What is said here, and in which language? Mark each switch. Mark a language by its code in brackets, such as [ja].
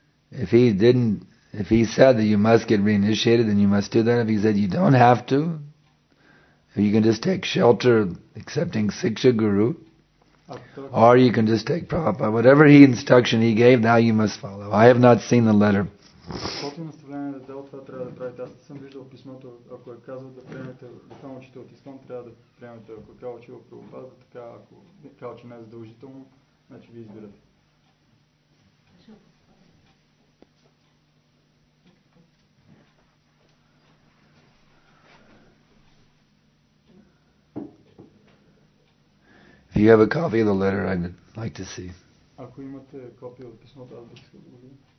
[en] If he said that you must get reinitiated, then you must do that. If he said you don't have to, you can just take shelter accepting Siksha Guru, or you can just take Prabhupada. Whatever instruction he gave, now you must follow. I have not seen the letter. [bg] Каквото наставление да дал, това трябва да правите. Аз не съм виждал писмото, ако е казал да приемете духовно учител от ИСКОН, трябва да приемете. Ако е казал, че е Прабхупада, така ако е казал, че не е задължително, значи ви избирате. [en] If you have a copy of the letter, I'd like to see. [bg] Ако имате копия от писмото, аз бих искал да го видя.